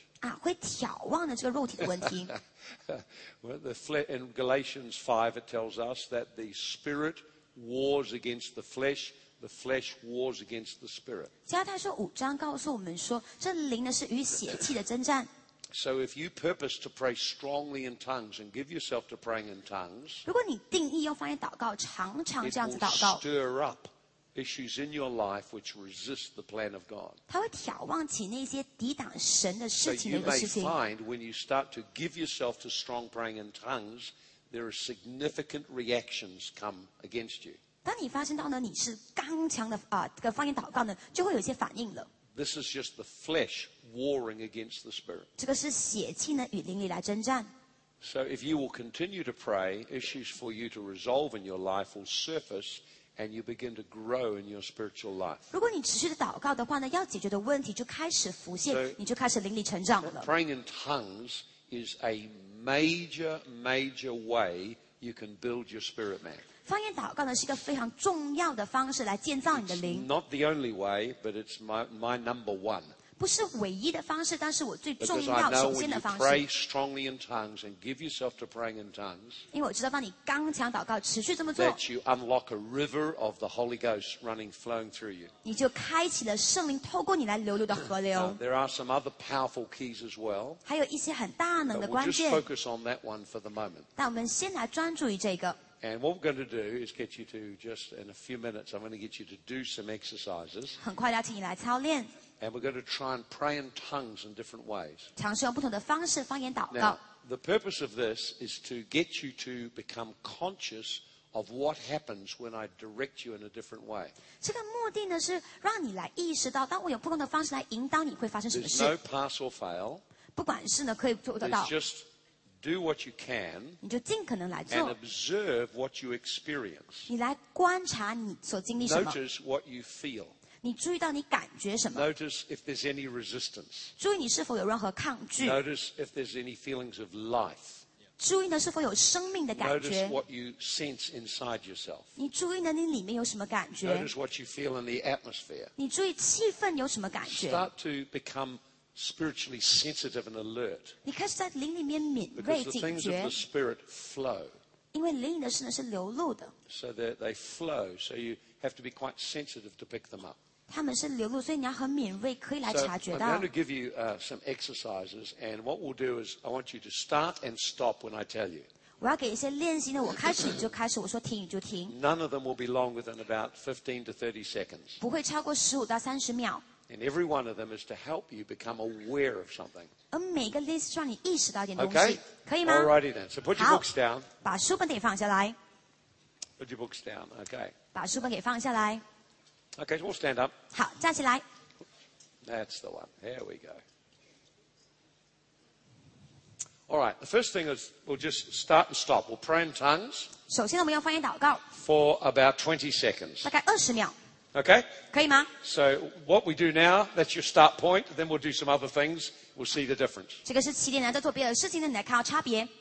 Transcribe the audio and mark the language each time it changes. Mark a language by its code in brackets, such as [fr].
[zh] 啊，会挑旺的这个肉体的问题。 [en] Well, in Galatians 5, it tells us that the spirit wars against the flesh, the flesh wars against the spirit. [zh] 加太书五章告诉我们说，这灵呢是与血气的征战。 [en] So if you purpose to pray strongly in tongues and give yourself to praying in tongues, [zh] 如果你定义用方言祷告，常常这样子祷告 [en] it will stir up issues in your life which resist the plan of God. [zh] 它会挑旺起那些抵挡神的事情那个事情 [en] So you may find when you start to give yourself to strong praying in tongues, there are significant reactions come against you. [zh] 当你发现到呢，你是刚强的啊，这个方言祷告呢，就会有一些反应了。 [en] This is just the flesh warring against the spirit. [zh] 这个是血气呢与灵力来征战。 [en] So if you will continue to pray, issues for you to resolve in your life will surface, and you begin to grow in your spiritual life. [zh] 如果你持续的祷告的话呢，要解决的问题就开始浮现，你就开始灵力成长了。 [en] Praying in tongues is a major, major way you can build your spirit man. [zh] 方言祷告呢是一个非常重要的方式来建造你的灵。 [en] It's not the only way, but it's my number one. [zh] 不是唯一的方式，但是我最重要、首先的方式。 [en] Because I know when you pray strongly in tongues and give yourself to praying in tongues, [zh] 因为我知道，当你刚强祷告、持续这么做 [en] ，that you unlock a river of the Holy Ghost running flowing through you. [zh] 你就开启了圣灵透过你来流入的河流。 [en] There are some other powerful keys as well. [zh] 还有一些很大能的关键。 [en] But we'll just focus on that one for the moment. [zh] 但我们先来专注于这个。 [en] And what we're going to do is get you to just in a few minutes, I'm going to get you to do some exercises. [zh] 很快要请你来操练。 [en] And we're going to try and pray in tongues in different ways. [zh] 尝试用不同的方式方言祷告。 [en] Now, the purpose of this is to get you to become conscious of what happens when I direct you in a different way. [zh] 这个目的呢是让你来意识到，当我用不同的方式来引导你会发生什么事。 [en] There's no pass or fail. [zh] 不管是呢可以做得到。 [en] Do what you can, [zh] 你就尽可能来做 [en] and observe what you experience. [zh] 你来观察你所经历什么 [en] Notice what you feel. [zh] 你注意到你感觉什么 [en] Notice if there's any resistance. [zh] 注意你是否有任何抗拒 [en] Notice if there's any feelings of life. [zh] 注意呢是否有生命的感觉 [en] Notice what you sense inside yourself. [zh] 你注意呢你里面有什么感觉 [en] Notice what you feel in the atmosphere. [zh] 你注意气氛有什么感觉 [en] Start to become spiritually sensitive and alert. [zh] 你开始在灵里面敏锐警觉。 [en] Because the things of the spirit flow. [zh] 因为灵里的事呢是流露的。 [en] So that they flow, so you have to be quite sensitive to pick them up. [zh] 他们是流露，所以你要很敏锐，可以来察觉到。 [en] So I'm going to give you some exercises, and what we'll do is I want you to start and stop when I tell you. [zh] 我要给一些练习呢，我开始你就开始，我说停你就停。 [en] None of them will be longer than about 15 to 30 seconds. [zh] 不会超过十五到三十秒。 [en] And every one of them is to help you become aware of something. [zh] 而每个练习让你意识到一点东西 [en] okay, [zh] 可以吗 [en] Alrighty then. So put your books down. [zh] 把书本给放下来 [en] Put your books down. Okay. [zh] 把书本给放下来 [en] Okay, so we'll stand up. [zh] 好，站起来 [en] That's the one. Here we go. Alright, the first thing is we'll just start and stop. We'll pray in tongues. [zh] 首先我们要方言祷告 [en] For about 20 seconds. [zh] 大概二十秒 [en] Okay? [zh] 可以吗? [en] So, what we do now, that's your start point, then we'll do some other things, we'll see the difference. [zh] 这个是起点呢,在做别的事情呢,你来看到差别。